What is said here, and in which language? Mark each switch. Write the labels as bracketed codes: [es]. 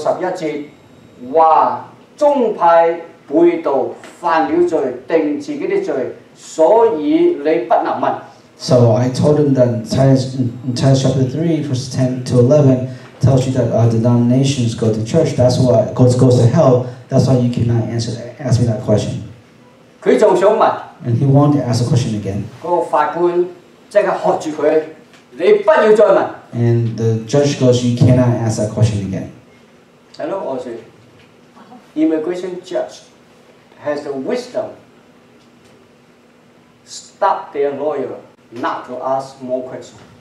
[zh] 我说因为圣经提多书3章10到11节,说宗派 背道犯了罪，定自己的罪，所以你不能问。 [en] So I told him that Titus chapter 3 verse 10 to 11 tells you that the denominations go to church. That's why goes to hell. That's why you cannot ask me that question. [zh] 他还想问。 [en] And he wanted to ask a question again. [zh] 那个法官立刻喝住他，你不要再问。 [en] And the judge goes, you cannot ask that question again. Hello, officer. Immigration judge. Has the wisdom stop their lawyer not to ask more questions?